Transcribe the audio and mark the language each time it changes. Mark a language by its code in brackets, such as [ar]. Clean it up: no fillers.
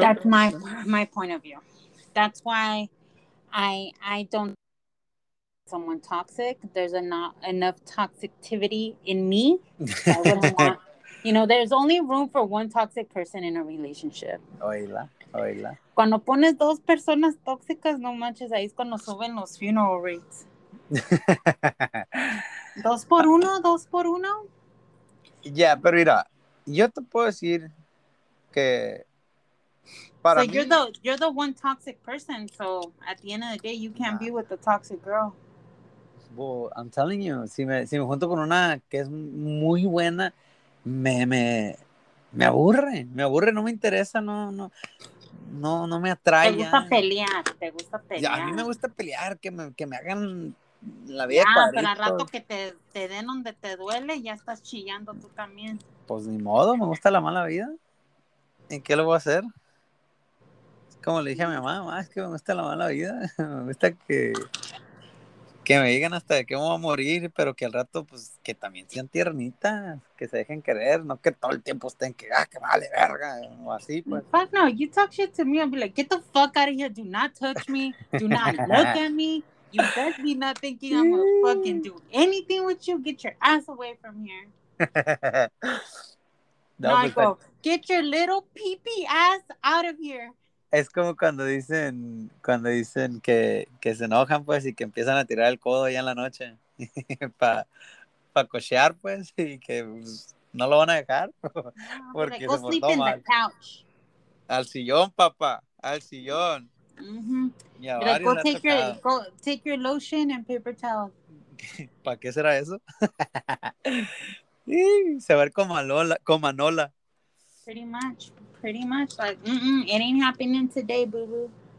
[en] That's my point of view. That's why I don't think someone toxic. There's not enough toxicity in me. You know, there's only room for one toxic person in a relationship. Oila. [es] Cuando pones dos personas tóxicas, no manches, ahí es cuando suben los [en] funeral rates. [es] Dos por uno. Yeah, pero mira, yo te puedo decir que Para so mí, [en] you're the one toxic person. So at the end of the day, you can't be with the toxic girl. Well, I'm telling you, [es] si me junto con una que es muy buena, me aburre. Me aburre, no me interesa, no me atrae. Te gusta pelear. Ya, a mí me gusta pelear, que me hagan la vida cuadritos. Pero al rato que te den donde te duele, ya estás chillando tú también. Pues ni modo, me gusta la mala vida. ¿En qué lo voy a hacer? Es como le dije a mi mamá, es que me gusta la mala vida. Me gusta que me digan hasta de qué me voy a morir, pero que al rato, pues, que también sean tiernitas, que se dejen querer, no que todo el tiempo estén que, que vale, verga, o así, pues. [en] Fuck no, you talk shit to me, I'll be like, get the fuck out of here, do not touch me, do not look at me, you best be not thinking I'm gonna fucking do anything with you, get your ass away from here. No, I go, get your little pee-pee ass out of here. [es] Es como cuando dicen que se enojan, pues, y que empiezan a tirar el codo ya en la noche pa cochear, pues, y que pues, no lo van a dejar porque se portó mal. Al sillón, papá, al sillón. [en] Mm-hmm. Y like, go take your lotion and paper towel. [es] ¿Para qué será eso? Se va a ver como a Nola. [en] Pretty much, like, mm-mm, it ain't happening today, boo-boo.